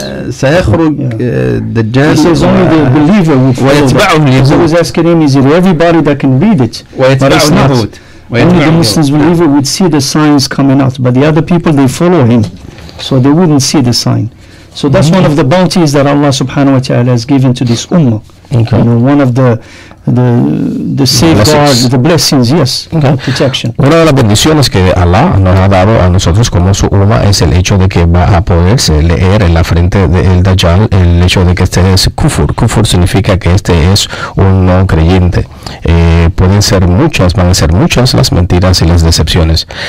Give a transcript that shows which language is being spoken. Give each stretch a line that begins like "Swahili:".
Arabic: سيخرج الدجال ويتبعه اليهود
English: only the Muslims believe would see the signs coming out, but the other people they follow him, so they wouldn't see the sign. So that's one of the bounties that Allah subhanahu wa ta'ala has given to this ummah. Okay. You know, one of the safeguards, the blessings, yes, okay. The protection.
Spanish: Una de las bendiciones que Allah nos ha dado a nosotros como su ummah es el hecho de que va a poderse leer en la frente del Dajjal el hecho de que este es kufur. Kufur significa que este es un no creyente. Pueden ser muchas, van a ser muchas las mentiras y las decepciones.